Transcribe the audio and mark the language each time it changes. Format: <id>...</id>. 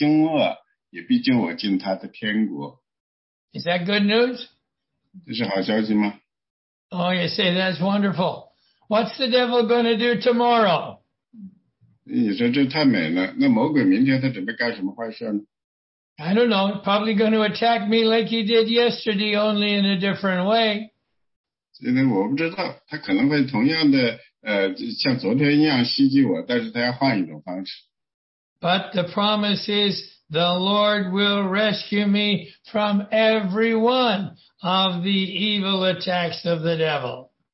<zh>十八节是一节非常美丽的一节经文，他这样说：主必救我脱离诸般的凶恶，也必救我进他的天国。</zh> <en>Is that good news?</en> <zh>这是好消息吗？</zh> <en>Oh, you say that's wonderful. What's the devil going to do tomorrow?</en> <zh>你说这太美了，那魔鬼明天他准备干什么坏事呢？</zh> <en>I don't know, probably going to attack me like he did yesterday, only in a different way.</en> <zh>今天我不知道，他可能会同样的，像昨天一样袭击我，但是他要换一种方式。</zh> <en>But the promise is the Lord will rescue me from every one of the evil attacks of the devil.</en>